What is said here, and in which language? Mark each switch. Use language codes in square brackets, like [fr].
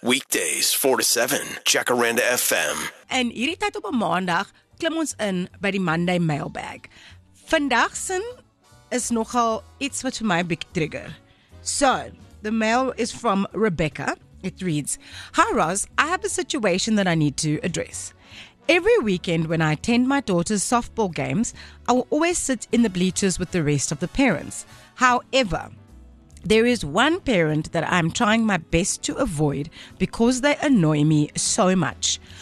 [en] Weekdays 4 to 7, Jacaranda FM. [af] En hierdie tyd op 'n maandag klim ons in by die Monday mailbag. Vandag sin is nogal iets wat vir my 'n big trigger. [en] So, the mail is from Rebecca. It reads, "Hi Roz, I have a situation that I need to address. Every weekend when I attend my daughter's softball games, I will always sit in the bleachers with the rest of the parents. However, there is one parent that I am trying my best to avoid because they annoy me so much.